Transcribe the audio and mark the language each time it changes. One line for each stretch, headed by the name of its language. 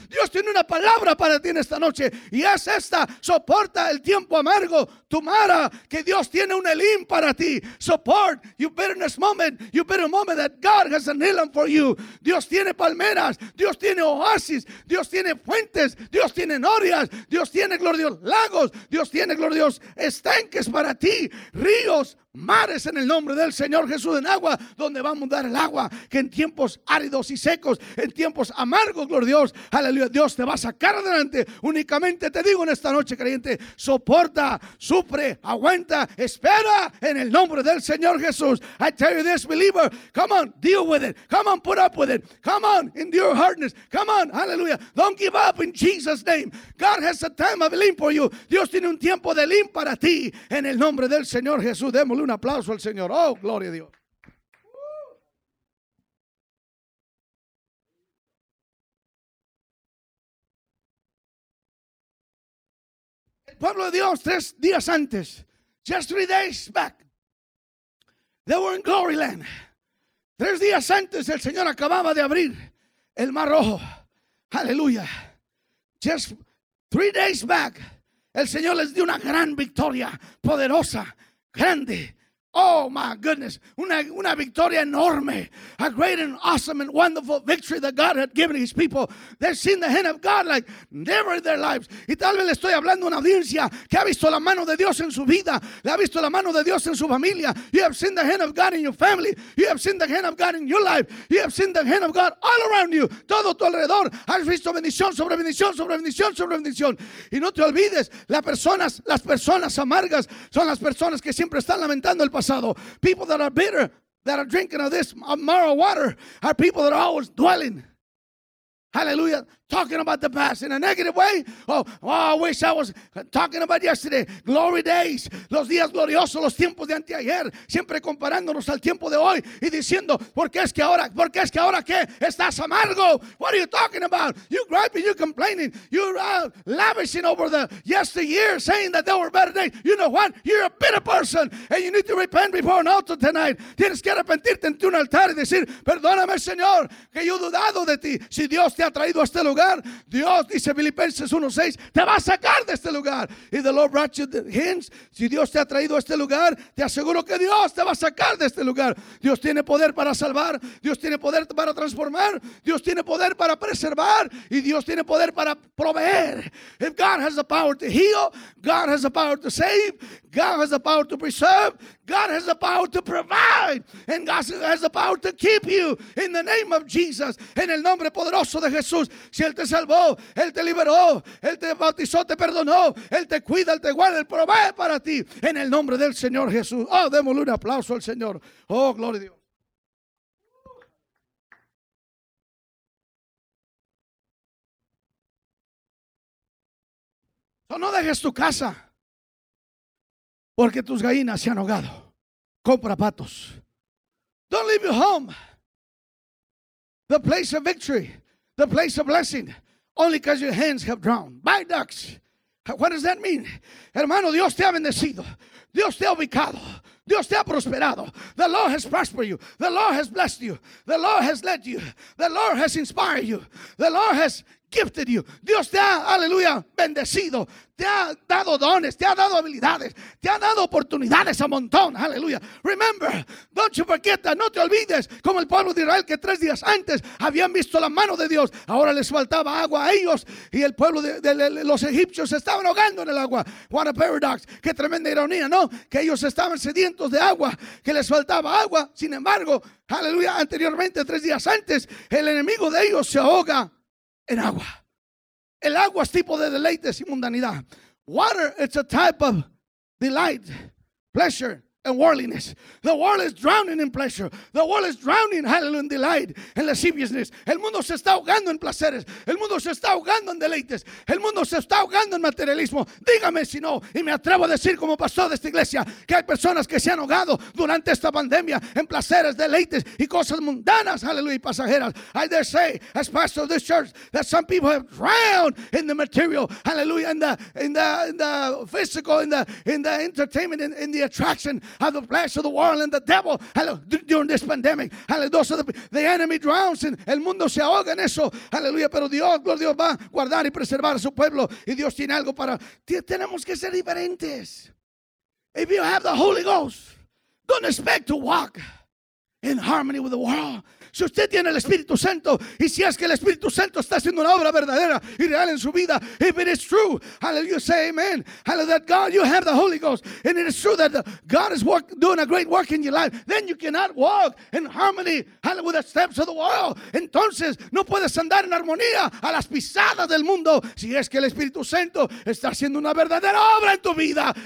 Spanish: Dios tiene una palabra para ti en esta noche. Y es esta. Soporta el tiempo amargo. Tomara que Dios tiene un Elim para ti.
English: Support your bitterness moment. You bitter moment that God has an Elim for you.
Spanish: Dios tiene palmeras, Dios tiene oasis, Dios tiene fuentes, Dios tiene norias, Dios tiene, gloria a Dios, lagos, Dios tiene, gloria a Dios, estanques para ti, ríos, mares en el nombre del Señor Jesús, en agua, donde va a mudar el agua, que en tiempos áridos y secos, en tiempos amargos, gloria a Dios, aleluya, Dios te va a sacar adelante. Únicamente te digo en esta noche, creyente, soporta, sufre, aguanta, espera en el nombre del Señor Jesús.
English: I tell you this, believer, come on, deal with it, come on, put up with it, come on, endure hardness, come on, hallelujah, don't give up in Jesus' name. God has a time of Elim for you.
Spanish: Dios tiene un tiempo de Elim para ti en el nombre del Señor Jesús. Démosle un aplauso al Señor. Oh, gloria a Dios. El pueblo de Dios, 3 días antes,
English: just 3 days back, they were in Glory Land.
Spanish: 3 días antes, el Señor acababa de abrir el Mar Rojo. Aleluya.
English: Just 3 days back,
Spanish: el Señor les dio una gran victoria, poderosa, grande.
English: Oh, my goodness.
Spanish: Una victoria enorme.
English: A great and awesome and wonderful victory that God had given his people. They've seen the hand of God like never in their lives.
Spanish: Y tal vez le estoy hablando a una audiencia que ha visto la mano de Dios en su vida. Le ha visto la mano de Dios en su familia.
English: You have seen the hand of God in your family. You have seen the hand of God in your life. You have seen the hand of God all around you.
Spanish: Todo tu alrededor. Has visto bendición sobre bendición sobre bendición sobre bendición. Y no te olvides, las personas amargas son las personas que siempre están lamentando el pasado.
English: People that are bitter, that are drinking of this Mara water, are people that are always dwelling. hallelujah, talking about the past in a negative way. Oh, I wish I was talking about yesterday. Glory days,
Spanish: los días gloriosos, los tiempos de anteayer, siempre comparándonos al tiempo de hoy y diciendo, ¿por qué es que ahora qué? Estás amargo.
English: What are you talking about? You griping, you complaining, you lavishing over the yesteryear, saying that there were better days. You know what? You're a bitter person, and you need to repent before an altar tonight.
Spanish: Tienes que arrepentirte ante un altar y decir, perdóname, Señor, que yo he dudado de ti. Si Dios te ha traído a este lugar, Dios, dice Filipenses 1:6, te va a sacar de este lugar.
English: If the Lord brought you the hints,
Spanish: si Dios te ha traído a este lugar, te aseguro que Dios te va a sacar de este lugar. Dios tiene poder para salvar, Dios tiene poder para transformar, Dios tiene poder para preservar, y Dios tiene poder para proveer.
English: If God has the power to heal, God has the power to save, God has the power to preserve, God has the power to provide, and God has the power to keep you in the name of Jesus.
Spanish: En el nombre poderoso de Jesús, si Él te salvó, Él te liberó, Él te bautizó, te perdonó, Él te cuida, Él te guarda, Él provee para ti. En el nombre del Señor Jesús. Oh, démosle un aplauso al Señor. Oh, gloria a Dios. So, no dejes tu casa porque tus gallinas se han ahogado. Compra patos.
English: Don't leave your home, the place of victory, the place of blessing, only because your hands have drowned. Buy ducks. What does that mean?
Spanish: Hermano, Dios te ha bendecido. Dios te ha ubicado. Dios te ha prosperado.
English: The Lord has prospered you. The Lord has blessed you. The Lord has led you. The Lord has inspired you. The Lord has gifted you.
Spanish: Dios te ha, aleluya, bendecido. Te ha dado dones. Te ha dado habilidades. Te ha dado oportunidades a montón. Aleluya.
English: Remember, don't you forget that.
Spanish: No te olvides. Como el pueblo de Israel que 3 días antes habían visto la mano de Dios. Ahora les faltaba agua a ellos. Y el pueblo de los egipcios estaban ahogando en el agua.
English: What a paradox.
Spanish: Qué tremenda ironía, ¿no? Que ellos estaban sedientos de agua. Que les faltaba agua. Sin embargo, aleluya, anteriormente, 3 días antes, el enemigo de ellos se ahoga en agua. El agua es tipo de deleites y mundanidad.
English: Water, it's a type of delight, pleasure, and worldliness. The world is drowning in pleasure. The world is drowning, hallelujah, in delight and lasciviousness.
Spanish: El mundo se está ahogando en placeres. El mundo se está ahogando en deleites. El mundo se está ahogando en materialismo. Dígame si no. Y me atrevo a decir como pastor de esta iglesia que hay personas que se han ahogado durante esta pandemia en placeres, deleites y cosas mundanas, hallelujah, y pasajeras.
English: I dare say, as pastor of this church, that some people have drowned in the material, hallelujah, in the physical, in the entertainment, in the attraction of the flesh of the world and the devil. Hello, during this pandemic, hallelujah, the enemy drowns and
Spanish: el mundo se ahoga en eso. Aleluya, pero Dios, gloria a Dios, va a guardar y preservar a su pueblo. Y Dios tiene algo para. Tenemos que ser diferentes.
English: If you have the Holy Ghost, don't expect to walk in harmony with the world.
Spanish: Si usted tiene el Espíritu Santo, y si es que el Espíritu Santo está haciendo una obra verdadera y real en su vida,
English: if it is true, hallelujah, say amen. Hallelujah, God, you have the Holy Ghost, and it is true that God is doing a great work in your life, then you cannot walk in harmony, hallelujah, with the steps of the world.
Spanish: Entonces, no puedes andar en armonía a las pisadas del mundo si es que el Espíritu Santo está haciendo una verdadera obra en tu vida.